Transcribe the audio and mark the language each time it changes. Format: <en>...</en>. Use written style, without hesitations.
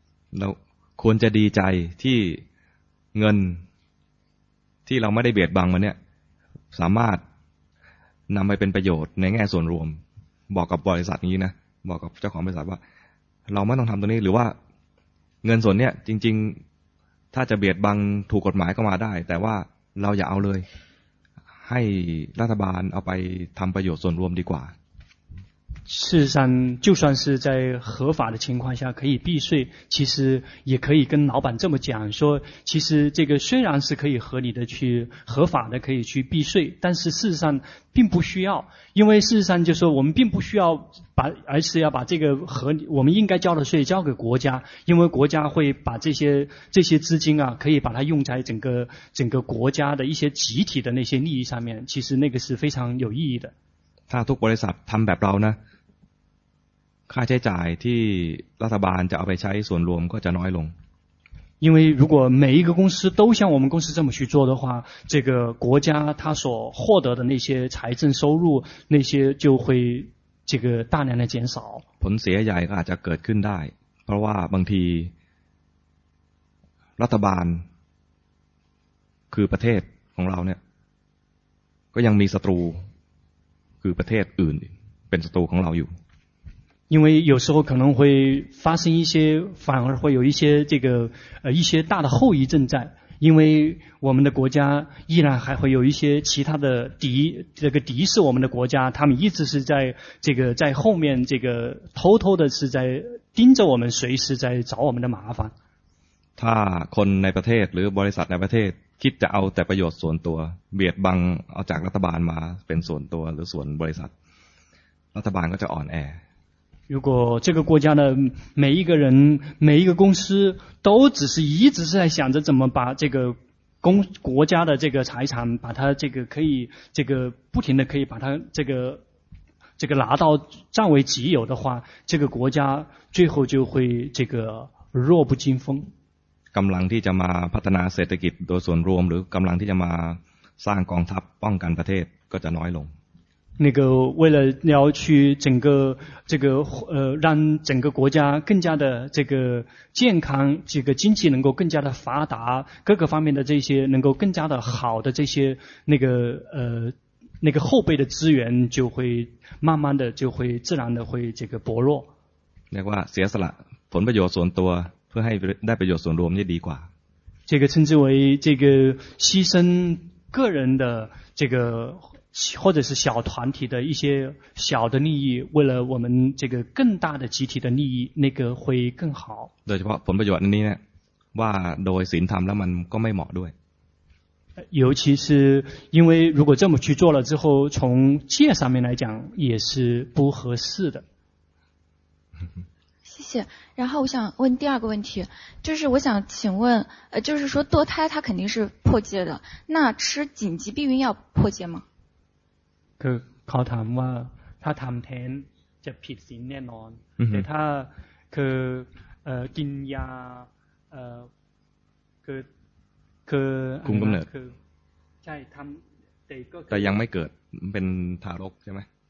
<th>那ควรจะดีใจที่เงินที่เราไม่ได้เบียดบังมันเนี่ยสามารถนำไปเป็นประโยชน์ในแง่ส่วนรวมบอกกับบริษัทนี้นะบอกกับเจ้าของบริษัทว่าเราไม่ต้องทำตัวนี้หรือว่าเงินส่วนเนี้ยจริงๆถ้าจะเบียดบังถูกกฎหมายก็มาได้แต่ว่าเราอย่าเอาเลยให้รัฐบาลเอาไปทำประโยชน์ส่วนรวมดีกว่า</th> <zh>事实上就算是在合法的情况下可以避税其实也可以跟老板这么讲说其实这个虽然是可以合理的去合法的可以去避税但是事实上并不需要因为事实上就是说我们并不需要把而是要把这个合理我们应该交的税交给国家因为国家会把这些资金啊可以把它用在整个国家的一些集体的那些利益上面其实那个是非常有意义的</zh> <th>ถ้าทุกบริษัททำแบบเรานะค่าใช้จ่ายที่รัฐบาลจะเอาไปใช้ส่วนรวมก็จะน้อยลง</th> <zh>因为如果每一个公司都像我们公司这么去做的话这个国家它所获得的那些财政收入那些就会这个大量的减少</zh> <th>ผลเสียใหญ่ก็อาจจะเกิดขึ้นได้เพราะว่าบางทีรัฐบาลคือประเทศของเราเนี่ยก็ยังมีศัตรูคือประเทศอื่นเป็นศัตรูของเราอยู่</th> <zh>因为有时候可能会发生一些反而会有一些这个一些大的后遗症在因为我们的国家依然还会有一些其他的敌这个敌视我们的国家他们一直是在这个在后面这个偷偷的是在盯着我们随时在找我们的麻烦</zh> <th>ถ้าคนในประเทศหรือบริษัทในประเทศคิดจะเอาแต่ประโยชน์ส่วนตัวเบียดบังเอาจากรัฐบาลมาเป็นส่วนตัวหรือส่วนบริษัทรัฐบาลก็จะอ่อนแ</th> <zh>อ如果这个国家的每一个人每一个公司都只是一直是在想着怎么把这个国家的这个财产把它这个可以这个不停的可以把它这个拿到占为己有的话这个国家最后就会这个弱不禁风</zh> <th>กำลังที่จะมาพัฒนาเศรษฐกิจโดยส่วนรวมหรือกำลังที่จะมาสร้างกองทัพป้องกันประเทศก็จะน้อยลง</th> <zh>那个为了要去整个这个让整个国家更加的这个健康这个经济能够更加的发达各个方面的这些能够更加的好的这些那个后备的资源就会慢慢的就会自然的会这个薄弱</zh> <th>เรียกว่าเสียสละผลประโยชน์ส่วนตัวเพื่อให้ได้ประโยชน์ส่วนรวมนี่ดีกว่า</th> <zh>这个称之为这个牺牲个人的这个或者是小团体的一些小的利益，为了我们这个更大的集体的利益，那个会更好。</zh> <th>โดยเฉพาะผลประโยชน์นี้เนี่ยว่าโดยศีลธรรมแล้วมันก็ไม่เหมาะด้วย。</th> <zh>尤其是因为如果这么去做了之后，从戒上面来讲也是不合适的。谢谢。然后我想问第二个问题，就是我想请问，就是说堕胎它肯定是破戒的，那吃紧急避孕药破戒吗？</zh> <th>คือเขาถามว่าถ้าทำแท้งจะผิดศีลแน่นอนแต่ถ้าคือกินยาคือ คุมกำเนิด ใช่ทำ แต่ยังไม่เกิดเป็นทารกใช่ไหม</th>